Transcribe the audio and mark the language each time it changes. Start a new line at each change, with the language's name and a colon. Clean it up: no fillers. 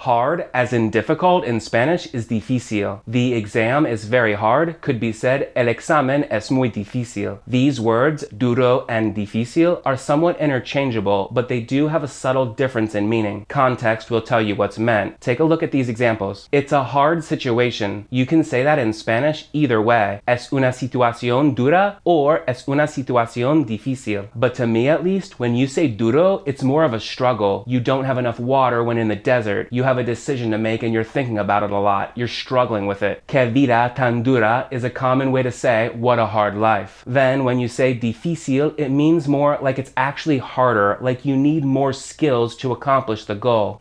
English: Hard, as in difficult in Spanish, is difícil. The exam is very hard, could be said
Spanish: el examen es muy difícil.
English: These words, duro and difícil, are somewhat interchangeable, but they do have a subtle difference in meaning. Context will tell you what's meant. Take a look at these examples. It's a hard situation. You can say that in Spanish either way.
Spanish: Es una situación dura or es una situación difícil.
English: But to me at least, when you say duro, it's more of a struggle. You don't have enough water when in the desert. You have a decision to make and you're thinking about it a lot. You're struggling with it.
Spanish: Qué vida tan dura
English: is a common way to say what a hard life. Then when you say difícil, it means more like it's actually harder, like you need more skills to accomplish the goal.